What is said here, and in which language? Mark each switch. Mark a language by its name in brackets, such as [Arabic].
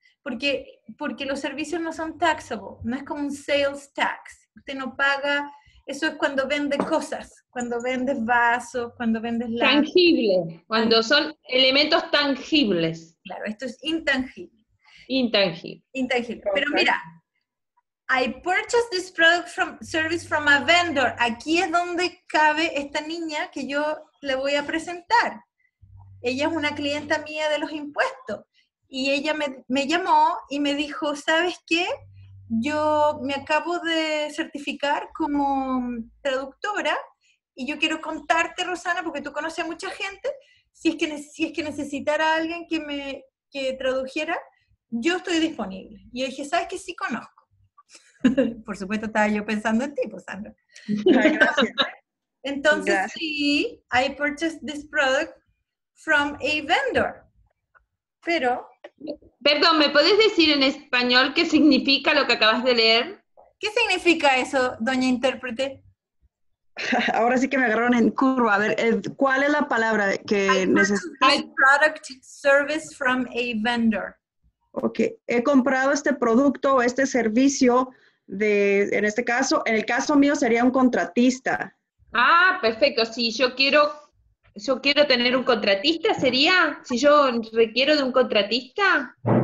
[Spanish] Porque los servicios no son taxable. No es como un sales tax. Usted no paga. Eso es cuando vende cosas, cuando vendes vasos, cuando vendes... Tangible, cuando son elementos tangibles. Claro, esto es intangible. Intangible. Okay. Pero mira, [English] I purchased this product from service from a vendor. [Spanish] Aquí es donde cabe esta niña que yo le voy a presentar. Ella es una clienta mía de los impuestos. Y ella me llamó y me dijo, ¿sabes qué? Yo me acabo de certificar como traductora y yo quiero contarte, Rosana, porque tú conoces a mucha gente, si es que necesitara a alguien que tradujera, yo estoy disponible. Y yo dije, ¿sabes qué? Sí conozco. Por supuesto, estaba yo pensando en ti, pues, Sandra. Entonces, sí, [English] I purchased this product from a vendor. [Spanish] Pero... Perdón, ¿me puedes decir en español qué significa lo que acabas de leer? ¿Qué significa eso, doña intérprete? Ahora sí que me agarraron en curva. A ver, ¿cuál es la palabra que necesitas? [English] I product service from a vendor. [Spanish] Ok, he comprado este producto o este servicio de, en este caso, en el caso mío sería un contratista. Ah, perfecto, sí, yo quiero tener un contratista, ¿sería? Si yo requiero de un contratista.